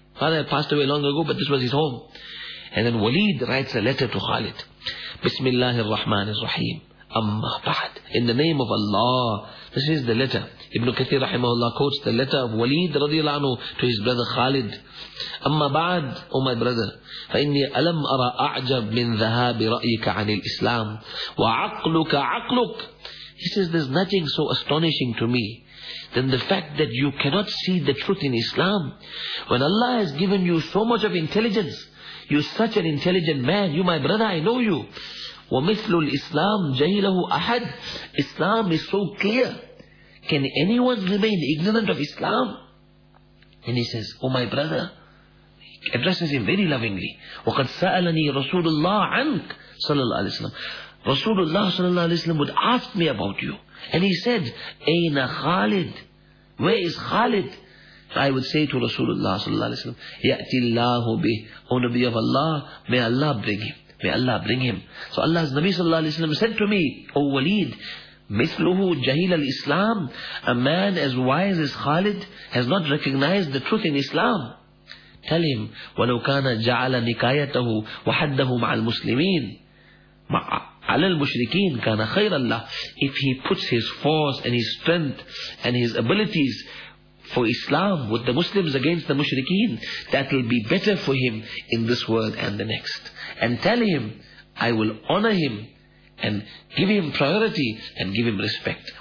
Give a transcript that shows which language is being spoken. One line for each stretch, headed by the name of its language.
English: Father had passed away long ago, but this was his home. And then Walid writes a letter to Khalid.
Arabic: بِسْمِ اللَّهِ الرَّحْمَنِ الرَّحِيمِ أَمَّا بَعَدْ.
English: In the name of Allah. This is the letter. Ibn Kathir rahimahullah quotes the letter of Walid radiallahu anhu to his brother Khalid.
Arabic: أَمَّا بَعَدْ,
English: O my brother,
Arabic: فَإِنِّي أَلَمْ أَرَى أَعْجَبْ مِنْ ذَهَابِ رَأْيِكَ عَنِ الْإِسْلَامِ وَعَقْلُكَ عَقْلُكَ.
English: He says, there's nothing so astonishing to me than the fact that you cannot see the truth in Islam. When Allah has given you so much of intelligence, you're such an intelligent man. You, my brother, I know you.
Arabic: وَمِثْلُ الْإِسْلَامِ جَهِلَهُ أَحَدٍ.
English: Islam is so clear. Can anyone remain ignorant of Islam? And he says, oh my brother, he addresses him very lovingly.
Arabic: وَقَدْ سَأَلَنِي رَسُولُ اللَّهِ عَنْكَ صلى الله عليه وسلم.
English: Rasulullah صلى الله عليه وسلم would ask me about you. And he said,
Arabic: أَيْنَ خَالِد.
English: Where is Khalid? I would say to Rasulullah صلى الله عليه وسلم,
Arabic: يَأْتِ اللَّهُ بِهِ.
English: O Nabi of Allah, may Allah bring him. May Allah bring him. So Allah's Nabi sallallahu alayhi wa sallam said to me, O Walid,
Arabic: مِثْلُهُ جَهِلَ الْإِسْلَامِ.
English: A man as wise as Khalid has not recognized the truth in Islam. Tell him,
Arabic: وَلَوْ كَانَ جَعَلَ نِكَايَتَهُ وَحَدَّهُ مَعَ الْمُسْلِمِينَ عَلَى الْمُشْرِكِينَ كَانَ خَيْرَ اللَّهِ.
English: If he puts his force and his strength and his abilities for Islam with the Muslims against the mushrikeen, that will be better for him in this world and the next. And tell him, I will honor him and give him priority and give him respect.